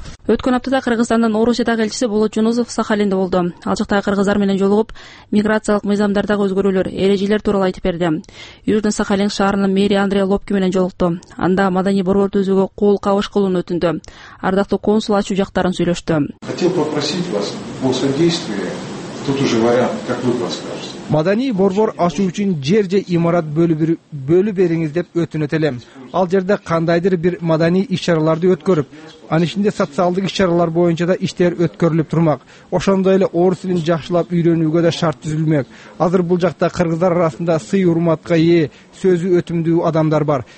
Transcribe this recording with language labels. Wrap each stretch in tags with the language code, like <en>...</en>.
<ky>Өткөн аптада Кыргызстандын Орусиядагы элчиси Болот Жунусов Сахалинде болду. Ал жактагы кыргыздар менен жолугуп, миграциялык мыйзамдардагы өзгөрүүлөр, эрежелер тууралуу айтып берди. Южный Сахалин шаарынын мэри Андрей Лобки менен жолукту. Анда маданий борбор түзүүгө кол кабыш кылууну өтүндү. Ардактуу консул ачуу жактарын сүйлөштү.</ky> <ru>Хотел попросить вас о содействии. Тут уже вариант, как вы подскажете.</ru> <ky>Маданий борбор ашуу үчүн жер же имарат бөлү бериңиз деп өтүнөт элем. Ал жерде кандайдыр бир маданий иш-чараларды өткөрүп, анын ичинде социалдык иш-чаралар боюнча да иштер өткөрүлүп турмак. Ошондой эле орус тилин жакшылап үйрөнүүгө да шарт түзүлмөк. Азыр бул жакта кыргыздар арасында сый урматка ээ, сөзү өтүмдүү адамдар бар.</ky>